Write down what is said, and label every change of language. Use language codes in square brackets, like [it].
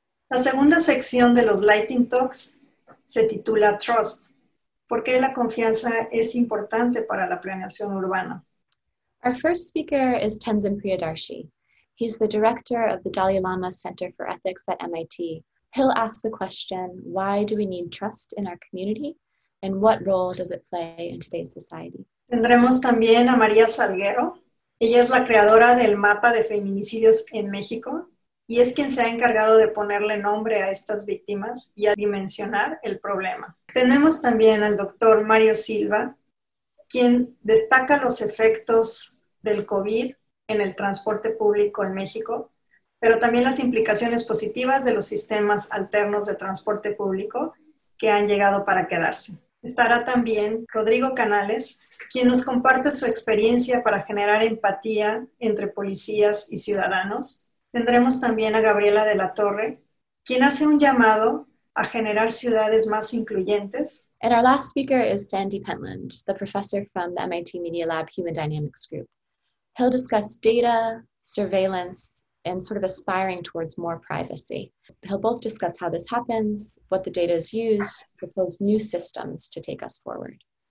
[es] La segunda sección de los Lightning Talks se titula Trust. ¿Por qué la confianza es importante para la planeación urbana? [en] Our first speaker is Tenzin Priyadarshi. He's the director of the Dalai Lama Center for Ethics at MIT. He'll ask the question, why do we need trust in our community? And what role does it play in today's society? [es] Tendremos también a María Salguero. Ella es la creadora del mapa de feminicidios en México. Y es quien se ha encargado de ponerle nombre a estas víctimas y a dimensionar el problema. Tenemos también al doctor Mario Silva, quien destaca los efectos del COVID en el transporte público en México, pero también las implicaciones positivas de los sistemas alternos de transporte público que han llegado para quedarse. Estará también Rodrigo Canales, quien nos comparte su experiencia para generar empatía entre policías y ciudadanos. Tendremos también a Gabriela de la Torre, quien hace un llamado a generar ciudades más incluyentes. [en] And our last speaker is Sandy Pentland, the professor from the MIT Media Lab Human Dynamics Group. He'll discuss data, surveillance, and sort of aspiring towards more privacy. He'll both discuss how this happens, what the data is used, propose new systems to take us forward.